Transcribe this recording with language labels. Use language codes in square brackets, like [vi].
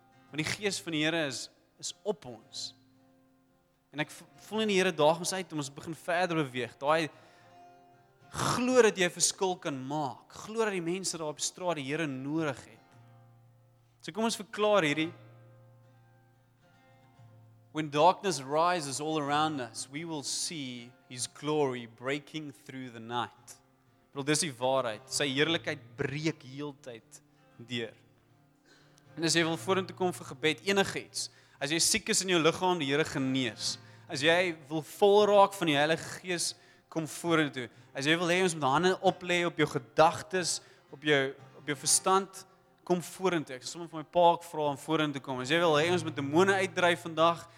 [af] Want die gees van die Here is op ons. En ek voel in die Here daag ons uit om ons begin verder beweeg. Daai glo dat jy 'n verskil kan maak. Glo dat die mense daar op die straat die Here nodig het. So kom ons verklaar hierdie. [en] When darkness rises all around us, we will see his glory breaking through the night. [af] Bro, dis die waarheid. Sy heerlikheid breek heeltyd deur. En as jy wil vorentoe kom vir gebed enigiets, as jy siek is in jou liggaam, die Here genees. As jy wil vol raak van die Heilige Gees, kom vorentoe. As jy wil hê ons moet hande oplê op jou gedagtes, op jou verstand, kom vorentoe. Ek sal sommer vir my pa vra om vorentoe kom. As jy wil hê ons moet demone uitdryf vandag,